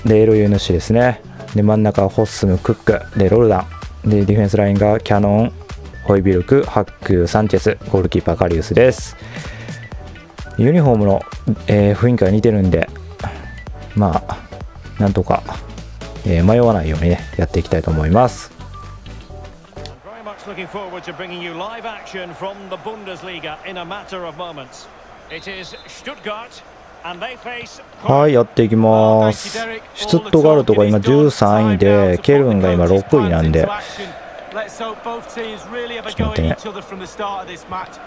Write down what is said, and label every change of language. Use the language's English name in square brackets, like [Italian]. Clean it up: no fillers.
[Japanese] で、エロユヌシですね。で、真ん中はホッスム、クックで、ロルダンで、ディフェンスラインがキャノン、ホイビルク、ハック、サンチェス、ゴールキーパーカリウスです。ユニフォームの、雰囲気が似てるんで、まあなんとか、迷わないようにね、やっていきたいと思います。 [English] Looking forward to bringing you live action from the Bundesliga in a matter of moments. It is Stuttgart, and they face. [Japanese] はい、やっていきます。シュツットガルトが今13位で、ケルンが今6位なんで、 [English] Let's hope both teams really have a go at each other from the start of this match.